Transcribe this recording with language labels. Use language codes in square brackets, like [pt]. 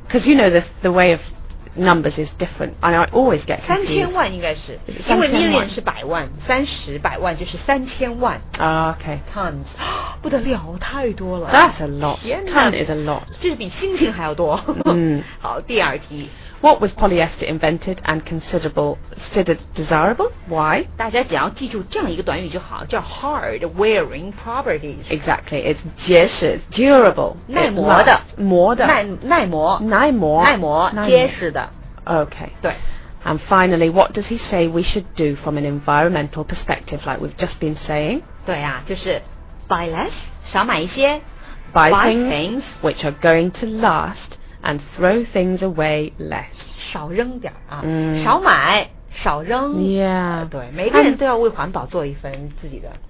[en] Because you know the way of numbers is different, and I always get confused. [zh] 300,000应该是，因为 million 是百万，三十百万就是三千万。 [en] Okay. [zh] Tons. 不得了，太多了。 [en] That's a lot. Ton is a lot. [zh] 这是比星星还要多。好，第二题。 [en] What was polyester invented and considered desirable? Why? [zh] 大家只要记住这样一个短语就好，叫 [en] hard wearing properties. Exactly, it's [zh] 结实 [en] durable, [zh] 耐磨的，磨的，耐磨，结实的。 [en] Okay. [zh] 对。 [en] And finally, what does he say we should do from an environmental perspective, like we've just been saying? [zh] 对啊，就是 [en] buy less, [zh] 少买一些 [en] buy things which are going to last. And throw things away less. [zh] 少扔点啊、少买少扔 [en] Yeah. [zh] 对每个人都要为环保做一份自己的